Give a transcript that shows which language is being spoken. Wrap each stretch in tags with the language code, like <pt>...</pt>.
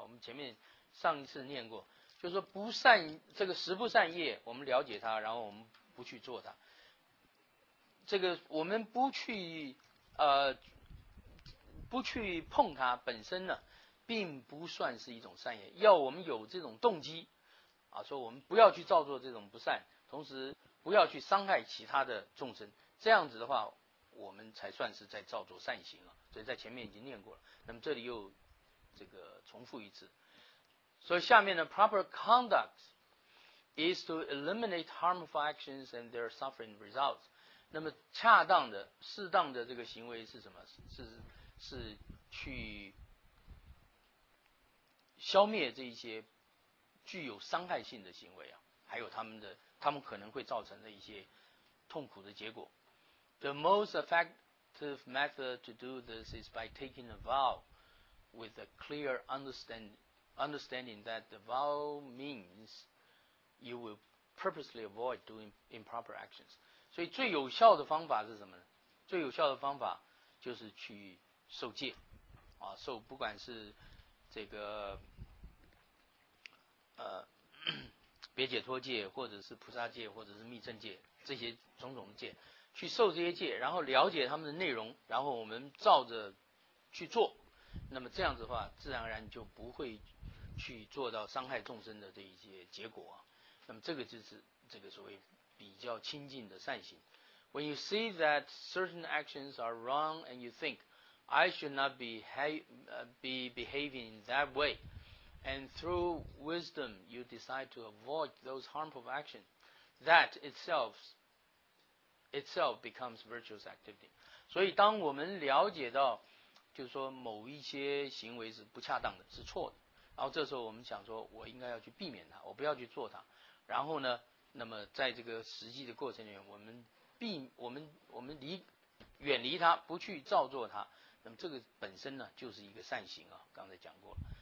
<zh>我们前面上一次念过，就是说不善这个十不善业，我们了解它，然后我们不去做它，这个我们不去碰它，本身呢并不算是一种善业。要我们有这种动机啊，说我们不要去造作这种不善，同时不要去伤害其他的众生，这样子的话我们才算是在造作善行了。所以在前面已经念过了，那么这里又这个重复一次。所以下面的</zh> <en>proper conduct is to eliminate harmful actions and their suffering results。</en> <zh>那么恰当的适当的这个行为是什么？是去消灭这一些具有伤害性的行为啊，还有他们可能会造成的一些痛苦的结果。</zh> <en>The most effective method to do this is by taking a vow with a clear understanding that the vow means you will purposely avoid doing improper actions.</en> <zh>所以最有效的方法是什么呢？最有效的方法就是去受戒啊，受不管是这个别解脱戒，或者是菩萨戒，或者是密正戒，这些种种的戒，去受这些戒，然后了解他们的内容，然后我们照着去做，那么这样子的话自然而然就不会去做到伤害众生的这一些结果啊。那么这个就是这个所谓比较亲近的善行。</zh> <en>When you see that certain actions are wrong and you think I should not be behaving in that way, and through wisdom you decide to avoid those harmful actions, that itself becomes virtuous activity.</en> <zh>所以当我们了解到就是说某一些行为是不恰当的，是错的，然后这时候我们想说我应该要去避免它，我不要去做它，然后呢那么在这个实际的过程里面，我们离远离它，不去造作它，那么这个本身呢就是一个善行啊，刚才讲过了。</zh>